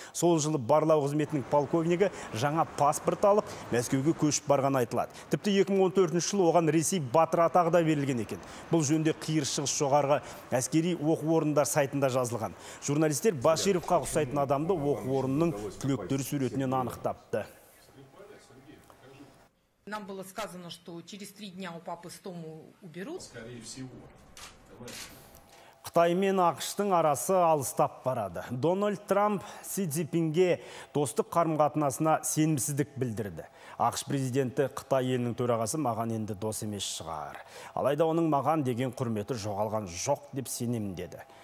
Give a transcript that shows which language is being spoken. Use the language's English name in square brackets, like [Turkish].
[Kazakh] Сол жылы барлау қызметінің полковнигі жаңа паспорт алып Мәскеуге көшіп барғаны айтылады. Тіпті 2014 жылы оған Ресей батыры атағы да берілген екен. Бұл жөнде қиыр шығыс жоғарғы әскери оқу орындар сайтында жазылған. Журналистер Башировқа ұқсайтын адамды оқу орнының түлектері суретінен анықтапты. [Russian] Нам было сказано, что через три дня у папы стому уберут. [Kazakh] Қытай мен Ақыштың арасы алыстап барады. Дональд Трамп Си Цзиньпинге достық қарым-қатынасына сенімсіздік білдірді. Ақш президенті Қытай елінің төрағасы маған енді дос емес шығар. Алайда оның маған деген құрметі жоғалған жоқ деп сенемін деді.